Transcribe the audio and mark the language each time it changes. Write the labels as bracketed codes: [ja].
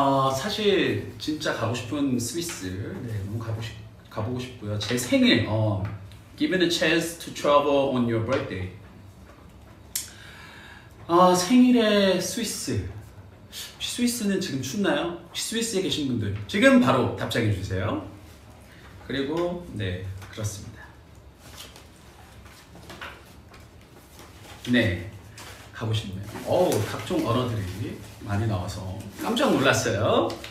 [ko] 사실 진짜 가고 싶은 스위스. 네, 너무 가보고 싶고요. 제 생일. [en] Given a chance to travel on your birthday. [ko] 생일에 스위스. 혹시 스위스는 지금 춥나요? 혹시 스위스에 계신 분들 지금 바로 답장해 주세요. 그리고 네, 그렇습니다. 네, 가고 싶네요. 어우, 각종 언어들이 많이 나와서 깜짝 놀랐어요.